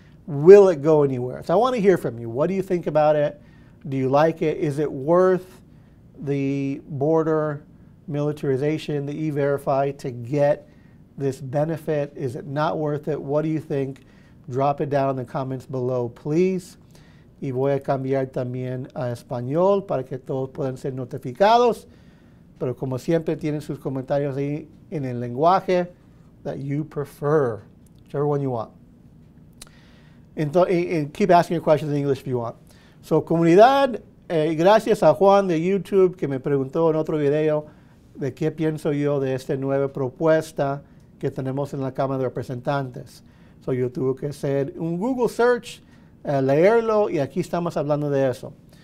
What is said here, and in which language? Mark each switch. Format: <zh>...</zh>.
<en>Will it go anywhere? So I want to hear from you. What do you think about it? Do you like it? Is it worth the border militarization, the e-verify, to get this benefit? Is it not worth it? What do you think? Drop it down in the comments below, please.</en> <es>Y voy a cambiar también a español para que todos puedan ser notificados. Pero como siempre, tienen sus comentarios ahí en el lenguaje that you prefer, whichever one you want.</es> <en>And keep asking your questions in English if you want.</en> <es>So, comunidad, gracias a Juan de YouTube que me preguntó en otro video de qué pienso yo de esta nueva propuesta que tenemos en la Cámara de Representantes. So yo tuve que hacer un Google search, leerlo, y aquí estamos hablando de eso.</es>